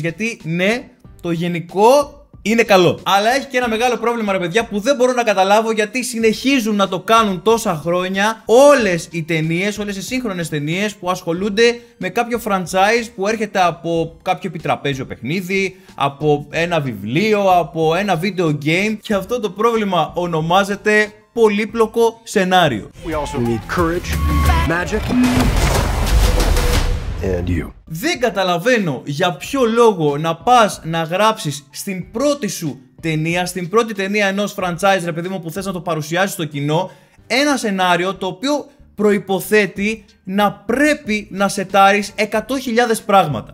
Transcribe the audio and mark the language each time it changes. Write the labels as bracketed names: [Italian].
[Greek] Γιατί ναι, το γενικό είναι καλό. Αλλά έχει και ένα μεγάλο πρόβλημα, ρε παιδιά, που δεν μπορώ να καταλάβω γιατί συνεχίζουν να το κάνουν τόσα χρόνια όλες οι ταινίες, όλες οι σύγχρονες ταινίες που ασχολούνται με κάποιο franchise που έρχεται από κάποιο επιτραπέζιο παιχνίδι, από ένα βιβλίο, από ένα video game. Και αυτό το πρόβλημα ονομάζεται πολύπλοκο σενάριο. [English] We also need courage, magic, and you. [Greek] Δεν καταλαβαίνω για ποιο λόγο να πας να γράψεις στην πρώτη σου ταινία, στην πρώτη ταινία ενός franchise, ρε παιδί μου, που θες να το παρουσιάσεις στο κοινό, ένα σενάριο το οποίο προϋποθέτει να πρέπει να σετάρεις 100.000 πράγματα.